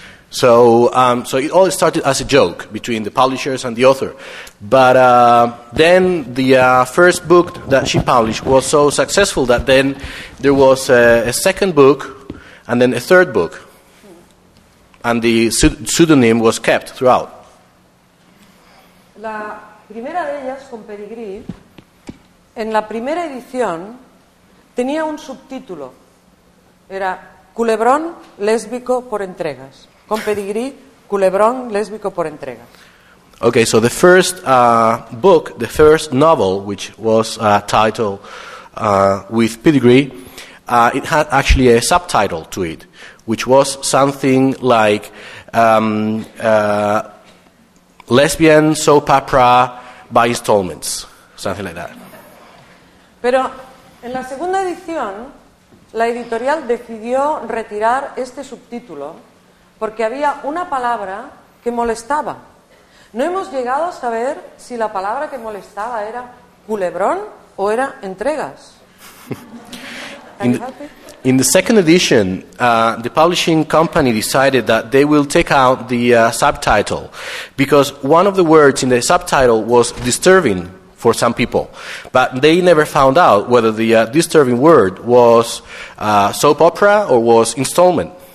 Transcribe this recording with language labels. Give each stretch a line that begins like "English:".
English: So it all started as a joke between the publishers and the author. But then the first book that she published was so successful that then there was a second book and then a third book. And the pseudonym was kept throughout.
Spanish: La primera de ellas, con Pedigrí, en la primera edición tenía un subtítulo. Era Culebrón Lésbico por Entregas. Con Pedigrí, Culebrón Lésbico por Entregas.
English: Okay, so the first book, the first novel, which was titled with Pedigrí, it had actually a subtitle to it, which was something like Lesbian Soap Opera by Installments, something like that.
Spanish: Pero en la segunda edición, la editorial decidió retirar este subtítulo porque había una palabra que molestaba. No hemos llegado a saber si la palabra que molestaba era culebrón o era entregas.
English: In the second edition, the publishing company decided that they will take out the subtitle because one of the words in the subtitle was disturbing for some people. But they never found out whether the disturbing word was soap opera or was installment.